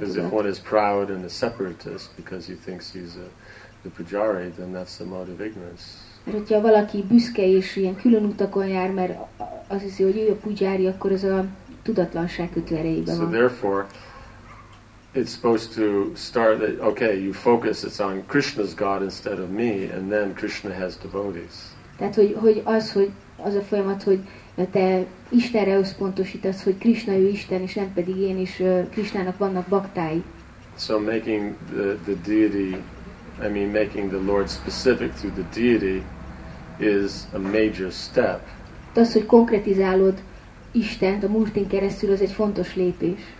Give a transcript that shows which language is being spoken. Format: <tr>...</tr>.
<en>Because if one is proud and a separatist because he thinks he's the pujari, then that's the mode of ignorance.</en> <hu>Mert hogyha valaki büszke és ilyen külön utakon jár, mert azt hiszi, hogy ő a pujari, akkor ez a tudatlanság kötőerejében van.</hu> <en>So therefore, it's supposed to start that, okay, you focus, it's on Krishna's God instead of me, and then Krishna has devotees.</en> <hu>Tehát, hogy az a folyamat, hogy te Istenre összpontosítasz, hogy Krishna ő Isten, és nem pedig én, és Krishnának vannak baktái.</hu> <en>So making the deity, I mean making the Lord specific through the deity is a major step.</en> <hu>Az, hogy konkretizálod Istent a múltin keresztül, az egy fontos lépés.</hu>